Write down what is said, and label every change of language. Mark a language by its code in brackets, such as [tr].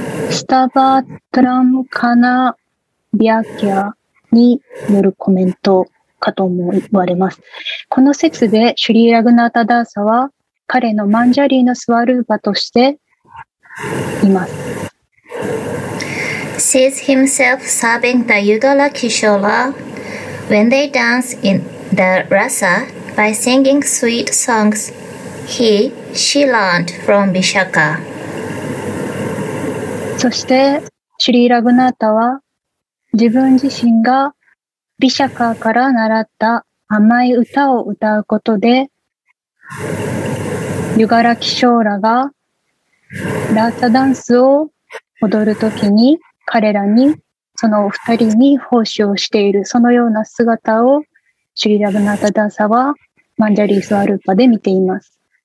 [ja] スタバトラムカナヤキャによるコメントかと思われます。この説でシュリー・ラグナータ・ダーサは彼のマンジャリーのスワルーパとしています。 [en] Sees himself serving the Yudhola Kishora when they dance in the rasa by singing sweet songs he, she learned from Vishakha. [ja] そして、シュリー・ラグナータは自分自身がビシャカーから習った甘い歌を歌うことで、ユガラキショーラがラーサダンスを踊るときに彼らにその二人に奉仕をしている、そのような姿をシュリラグナタダーサはマンジャリースワルーパで見ています。